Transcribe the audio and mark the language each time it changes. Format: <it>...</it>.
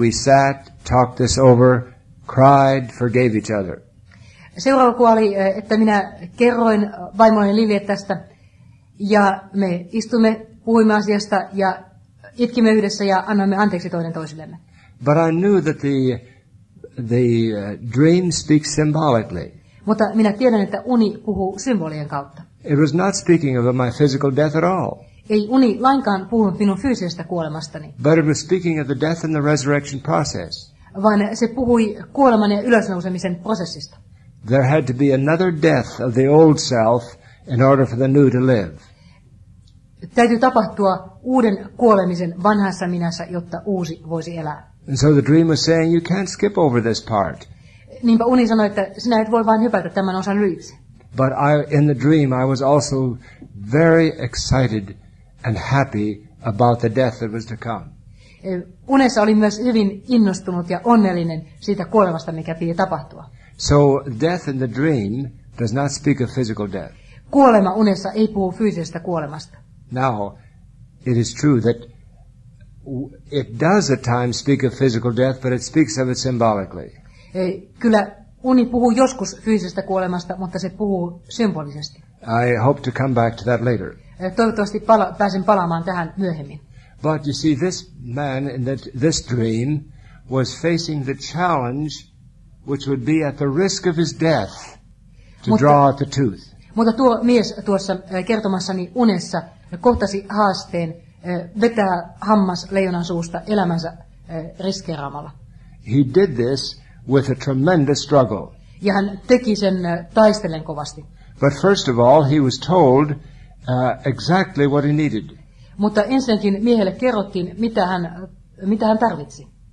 <en>We sat, talked this over, cried, forgave each other.</en> <fi>Seuraava kuva oli, että minä kerroin vaimolle Lilille tästä, ja me istumme, puhuimme asiasta, ja itkimme yhdessä, ja annoimme anteeksi toinen toisillemme.</fi> <en>But I knew that the dream speaks symbolically.</en> <fi>Mutta minä tiedän, että uni puhuu symbolien kautta.</fi> <en>It was not speaking of my physical death at all.</en> <fi>Ei uni lainkaan puhunut minun fyysisestä kuolemastani.</fi> <en>But it was speaking of the death and the resurrection process.</en> <fi>Vaan se puhui kuoleman ja ylösnousemisen prosessista.</fi> <en>There had to be another death of the old self in order for the new to live.</en> <fi>Täytyy tapahtua uuden kuolemisen vanhassa minässä, jotta uusi voisi elää.</fi> <en>And so the dream was saying, you can't skip over this part.</en> <fi>Niinpä uni sanoi, että sinä et voi vain hypätä tämän osan ylitse.</fi> <en>But in the dream I was also very excited and happy about the death that was to come.</en> <fi>Unessa olin myös hyvin innostunut ja onnellinen siitä kuolemasta, mikä piti tapahtua.</fi> <en>So death in the dream does not speak of physical death.</en> <fi>Kuolema unessa ei puhu fyysisestä kuolemasta.</fi> <en>Now, it is true that it does at times speak of physical death, but it speaks of it symbolically.</en> <fi>Kyllä uni puhuu joskus fyysisestä kuolemasta, mutta se puhuu symbolisesti.</fi> <en>I hope to come back to that later.</en> <fi>Toivottavasti pääsen palaamaan tähän myöhemmin.</fi> <en>But you see, this man in this dream was facing the challenge which would be at the risk of his death to draw out the tooth.</en> <fi>Mutta tuo mies tuossa kertomassani unessa kohtasi haasteen vetää hammas leijonan suusta elämänsä riskeeraamalla.</fi> <en>He did this with a tremendous struggle.</en> <fi>Ja hän teki sen taistellen kovasti.</fi> <en>But first of all, he was told exactly what he needed.</en> <fi>Mutta ensinnäkin miehelle kerrottiin, mitä hän tarvitsi.</fi>